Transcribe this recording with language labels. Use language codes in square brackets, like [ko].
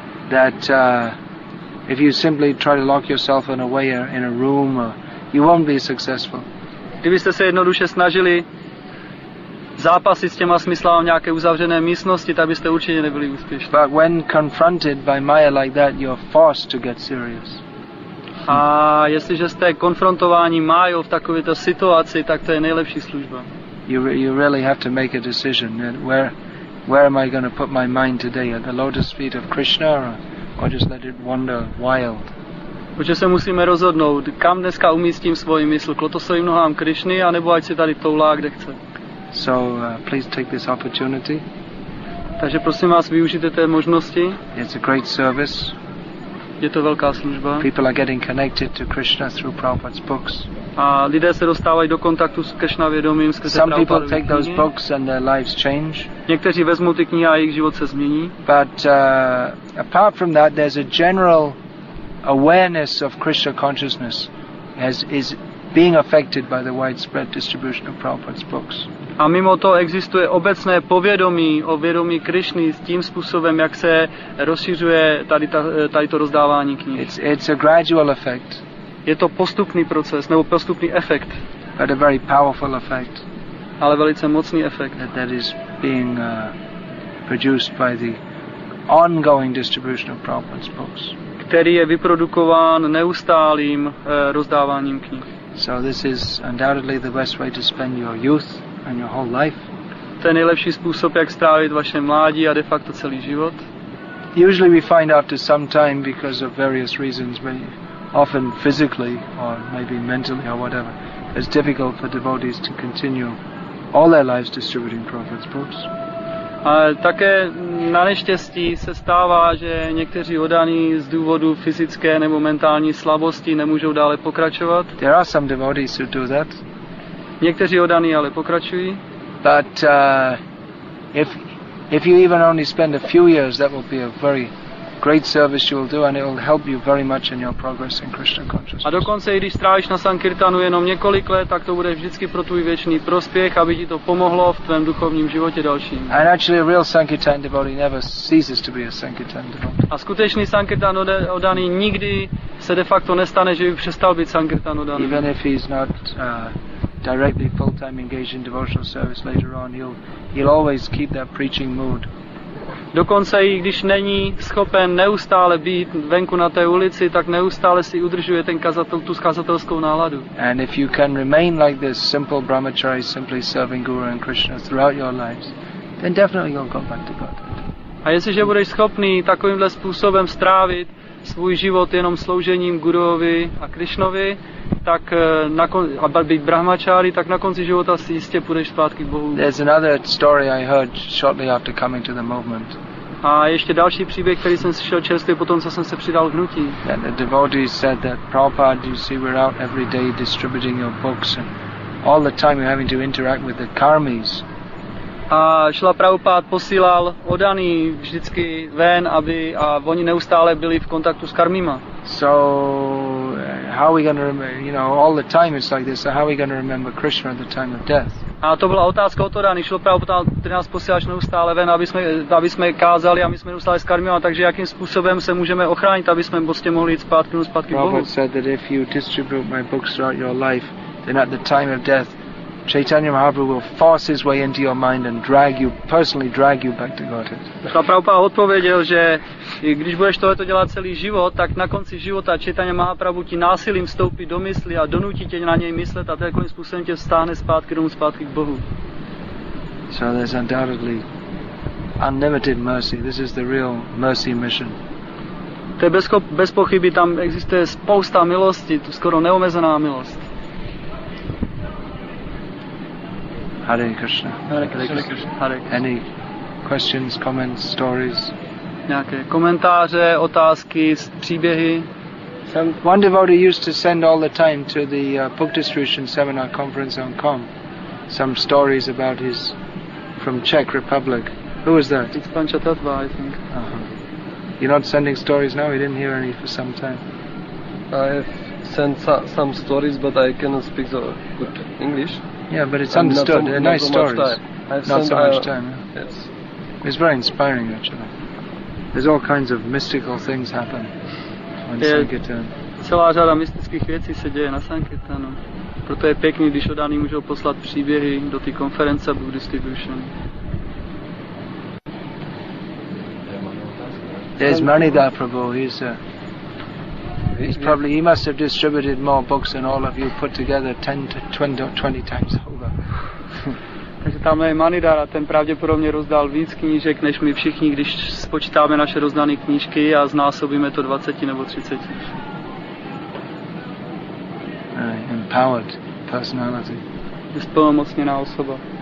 [en] That if you simply try to lock yourself in a way or in a room, you won't be successful. [cs] Kdybyste se jednoduše snažili zápasit s těma smyslami v nějaké uzavřené místnosti, tak byste určitě nebyli úspěšní. [en] But when confronted by Maya like that, you're forced to get serious. [cs] A jestliže jste konfrontováni Mayou v takovéto situaci, tak to je nejlepší služba. [en] You really have to make a decision. Where am I going to put my mind today? At the lotus feet of Krishna, or just let it wander wild? [cs] Protože se musíme rozhodnout, kam dneska umístím svoji mysl, k lotosovým nohám Krishny, anebo ať si tady toulá, kde chce. [en] So please take this opportunity. [cs] Takže prosím vás, využijte té možnosti. [en] It's a great service. [cs] Je to velká služba. [en] People are getting connected to Krishna through Prabhupada's books. [cs] A lidé se dostávají do kontaktu s Krishna vědomím skrze Prabhupada. [en] Some people take those books and their lives change. [cs] Někteří vezmou ty knihy a jejich život se změní. [en] But apart from that, there's a general awareness of Krishna consciousness is being affected by the widespread distribution of Prabhupada's books. [cs] A mimo to existuje obecné povědomí o vědomí Krišny s tím způsobem, jak se rozšiřuje tady to rozdávání knih. [en] It's a gradual effect. [cs] Je to postupný proces nebo postupný efekt. [en] But a very powerful effect. [cs] Ale velice mocný efekt. [en] That is being produced by the ongoing distribution of Prabhupada's books. [cs] Který je vyprodukován neustálým rozdáváním knih. [en] So this is undoubtedly the best way to spend your youth. And your whole life. [cs] To je nejlepší způsob, jak strávit vaše mládí a de facto celý život. [en] Usually we find after some time because of various reasons, maybe often physically or maybe mentally or whatever, it's difficult for devotees to continue all their lives distributing Prabhupada's books. [cs] A také na neštěstí se stává, že někteří oddaní z důvodu fyzické nebo mentální slabosti nemůžou dále pokračovat. [en] There are some devotees who do that. [cs] Někteří oddaní ale pokračují. [en] But if you even only spend a few years, that will be a very great service you will do, and it will help you very much in your progress in Krishna consciousness. [cs] A dokonce i když strávíš na Sankirtanu jenom několik let, tak to bude vždycky pro tvůj věčný prospěch, aby ti to pomohlo v tvém duchovním životě dalším. [en] And actually a real Sankirtan devotee never ceases to be a Sankirtan devotee. [cs] A skutečný Sankirtan oddaný nikdy se de facto nestane, že by přestal být Sankirtan oddaný. [en] Even if he's not directly full-time engaged in devotional service later on, he'll always keep that preaching mood. [cs] Dokonce i když není schopen neustále být venku na té ulici, tak neustále si udržuje ten kazatelskou náladu. [en] And if you can remain like this, simple brahmachari, simply serving Guru and Krishna throughout your lives, then definitely you'll come back to Godhead. [cs] A jestliže budeš schopný takovýmhle způsobem strávit svůj život jenom sloužením Guruovi a Krishnovi, tak být brahmačáry, tak na konci života si jistě půjdeš zpátky k Bohu. [en] There's another story I heard shortly after coming to the movement. [cs] A ještě další příběh, který jsem slyšel čerstvě potom, co jsem se přidal k hnutí. [en] That the devotee said that Prabhupada, you see, we're out every day distributing your books, and all the time you're having to interact with the karmis. [cs] A Šrila Prabhupáda posílal oddaný vždycky ven, aby a oni neustále byli v kontaktu s karmíma. [en] So how are we going to remember, you know, all the time it's like this, so how are we going to remember Krishna at the time of death? [cs] A to byla otázka od Odany. Šrila Prabhupáda nás posílal neustále ven, aby jsme kázali a my jsme neustále s karmíma, takže jakým způsobem se můžeme ochránit, aby jsme prostě mohli jít zpátky k Bohu. [en] Prabhupáda said that if you distribute my books throughout your life, then at the time of death, Chaitanya Mahaprabhu will force his way into your mind and drag you back to Godhead. [cs] Šrila Prabhupáda odpověděl, že když budeš tohleto dělat celý život, tak na konci života Chaitanya Mahaprabhu ti násilím vstoupí do mysli a donutí tě na něj myslet a takovým způsobem tě stáhne zpátky domů, zpátky k Bohu. [en] So there's undoubtedly unlimited mercy. This is the real mercy mission. [cs] To je bez pochyby, tam existuje spousta milosti, to skoro neomezená milost. [sa] Hare Krishna. Hare Krishna. [en] Any questions, comments, stories? [cs] Nějaké komentáře, otázky, příběhy? [en] One devotee used to send all the time to the book distribution seminar conference in Hong Kong some stories about his from Czech Republic. Who was that? It's Panchatattva, I think. Uh-huh. You're not sending stories now? We didn't hear any for some time. I have sent some stories, but I cannot speak so good English. Yeah, but it's understood. So, nice stories. Not so much time. Yeah. Yes. It's very inspiring, actually. There's all kinds of mystical things happen on Sankirtan. [cs] Celá řada mystických věcí se děje na Sankirtanu. Proto je pěkný, když odány můžou poslat příběhy do té konference Book Distribution. [en] There's Manidhar Prabhu. He's probably, he must have distributed more books than all of you put together 10 to 20 times over. [cs] Takže tam je Manidhar a ten pravděpodobně rozdal víc knížek než my všichni, když spočítáme naše rozdané knížky a znásobíme to 20 nebo 30. [en] Empowered personality. [cs] Je zplnomocněná osoba.